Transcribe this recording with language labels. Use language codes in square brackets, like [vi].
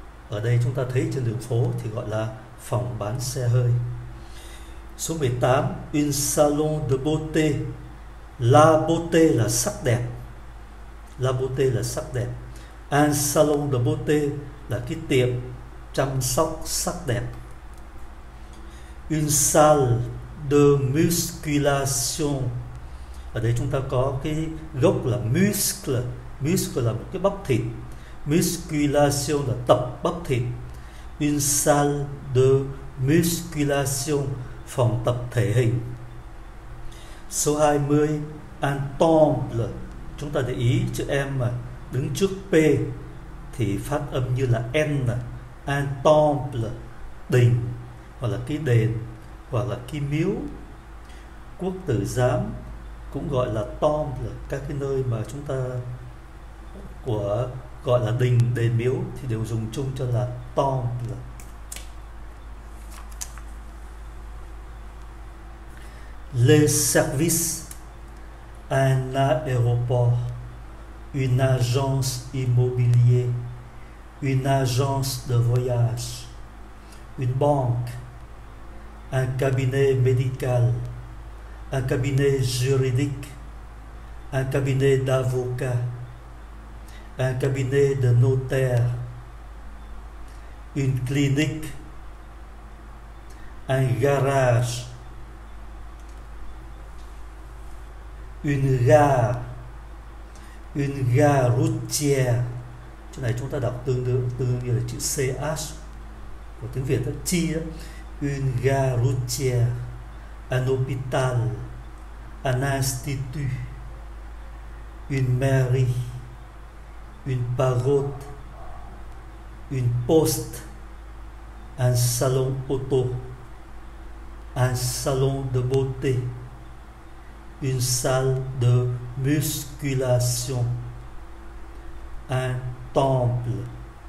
[vi] Ở đây chúng ta thấy trên đường phố thì gọi là phòng bán xe hơi. [fr] Số 18, une salon de beauté. La beauté [vi] là sắc đẹp. [fr] La beauté [vi] là sắc đẹp. [fr] Un salon de beauté [vi] là cái tiệm chăm sóc sắc đẹp. [fr] Une salle de musculation. [vi] Ở đây chúng ta có cái gốc là muscle. Muscle là một cái bắp thịt. Musculation là tập bắp thịt. [fr] Une salle de musculation, [vi] phòng tập thể hình. Số 20, [fr] un temple. [vi] Chúng ta để ý chữ M mà đứng trước P thì phát âm như là N, [fr] un temple, [vi] đình, hoặc là cái đền, hoặc là cái miếu. Quốc tử giám cũng gọi là temple, các cái nơi mà chúng ta của gọi là đình, đền, miếu thì đều dùng chung cho là temple. [fr] Le service, un aéroport, une agence immobilière, une agence de voyage, une banque, un cabinet médical, un cabinet juridique, un cabinet d'avocat, un cabinet de notaire, une clinique, un garage, une gare routière. [vi] Chỗ này chúng ta đọc tương đương như là chữ CH của tiếng Việt đó, chi đó. [fr] Une gare routière, un hôpital, un institut, une mairie, une pagode, une poste, un salon auto, un salon de beauté, une salle de musculation, un temple.